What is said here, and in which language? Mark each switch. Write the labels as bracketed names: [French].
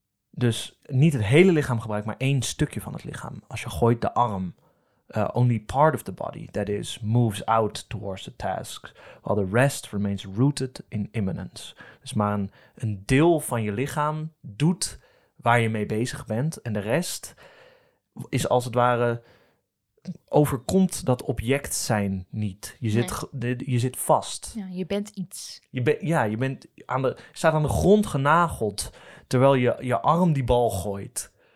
[Dutch] Dus niet het hele lichaam gebruiken, maar één stukje van het lichaam. Als je gooit de arm, [English] only part of the body, that is, moves out towards the task, while the rest remains rooted in immanence. [Dutch] Dus maar een deel van je lichaam doet waar je mee bezig bent, en de rest is als het ware, overkomt dat object zijn niet. Je zit vast. Ja, je bent iets. Je bent staat aan de grond genageld, terwijl je arm die bal gooit.